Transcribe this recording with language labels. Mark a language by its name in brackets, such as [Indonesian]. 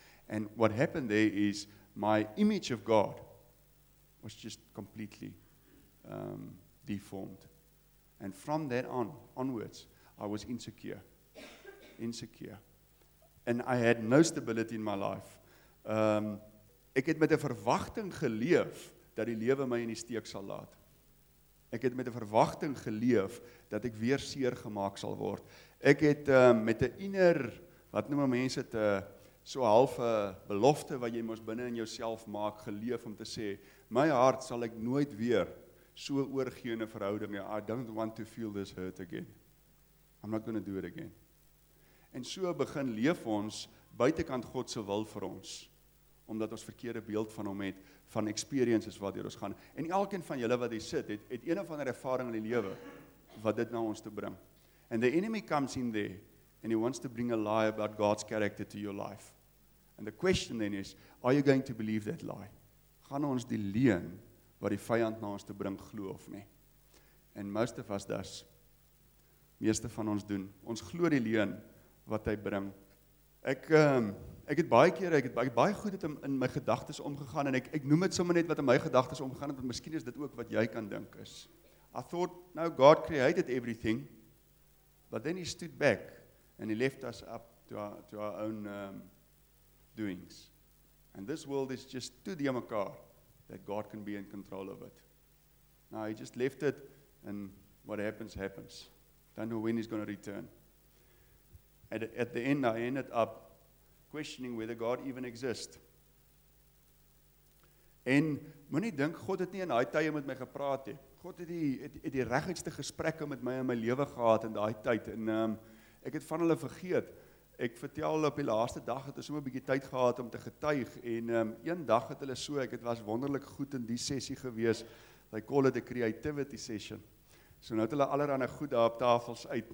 [English] And what happened there is my image of God was just completely deformed. And from that onwards, I was insecure. Insecure. And I had no stability in my life. [Afrikaans] Ek het met 'n verwagting geleef dat die lewe my in die steek sal laat. Ek het met 'n verwagting geleef dat ek weer seer gemaak sal word. Ek het met 'n inner, wat noem mense te, so half 'n belofte wat jy mos binne in jouself maak, geleef om te sê, my hart sal ek nooit weer so oorgee in 'n verhouding. [English] I don't want to feel this hurt again. I'm not going to do it again. [Afrikaans] En so begin leef ons buitekant God se wil vir ons, omdat ons verkeerde beeld van hom het, van experiences waardeur ons gaan. En elkeen van julle wat hier sit, het een of ander ervaring in die lewe wat dit na ons te bring. [English] And the enemy comes in there, and he wants to bring a lie about God's character to your life. And the question then is, are you going to believe that lie? [Afrikaans] Gaan ons die leuen wat die vyand na ons te bring glo of nie? [English] And most of us does. [Afrikaans] Meeste van ons doen. Ons glo die leuen wat hy bring. Ek het baie goed in my gedagtes omgegaan, en ek noem dit sommer net wat in my gedagtes omgegaan het, want miskien is dit ook wat jy kan dink is. [English] I thought, now God created everything, but then he stood back and he left us up to our own doings. And this world is just too dear mekaar that God can be in control of it. Now he just left it, and what happens, happens. Don't know when he's going to return. At the end, I ended up questioning whether God even exists. [Afrikaans] En moenie dink God het nie in daai tye met my gepraat nie. God het die regtigste gesprekke met my in my lewe gehad in daai tyd, en ek het van hulle vergeet. Ek vertel op die laaste dag het ons 'n bietjie tyd gehad om te getuig, en een dag het hulle so, dit was wonderlik goed in die sessie gewees. [English] They call it a creativity session. [Afrikaans] So nou het hulle allerhande goed daar op tafels uit.